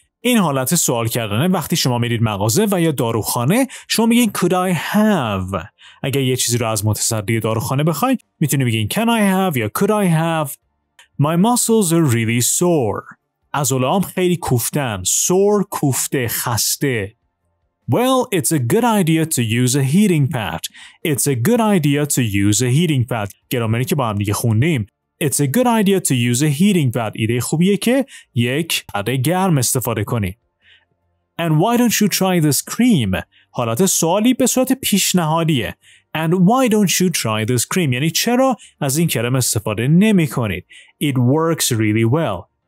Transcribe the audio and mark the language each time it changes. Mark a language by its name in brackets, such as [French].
[Persian] این حالت سوال کردنه وقتی شما میرید مغازه و یا داروخانه شما میگین [English] Could I have؟ [Persian] اگر یه چیزی رو از متصدی داروخانه بخواید میتونی بگین [English] Can I have؟ [Persian] یا Could I have؟ [English] My muscles are really sore. [Persian] عضلام خیلی کوفتن. Sore کوفته خسته. [English] Well, it's a good idea to use a heating pad. It's a good idea to use a heating pad. [Persian] گرامری که با هم دیگه خوندیم. [English] It's a good idea to use a heating pad. [Persian] ایده خوبیه که یک پد گرم استفاده کنی. [English] And why don't you try this cream? [Persian] حالت سوالی به صورت پیشنهادیه. [English] And why don't you try this cream? [Persian] یعنی چرا از این کرم استفاده نمی کنید؟ [English] It works really well.